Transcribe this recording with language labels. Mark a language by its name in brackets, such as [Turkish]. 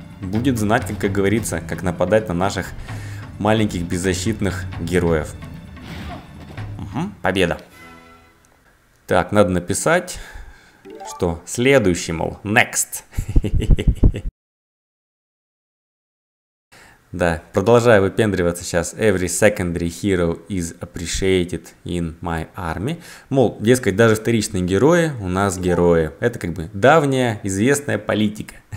[Russian] Будет знать, как говорится, как нападать на наших маленьких беззащитных героев. Угу, победа. Так, надо написать, что следующий, мол, next. Да, продолжаю выпендриваться сейчас. [English] Every secondary hero is appreciated in my army. [Russian] Мол, дескать, даже вторичные герои у нас герои. Это как бы давняя известная политика.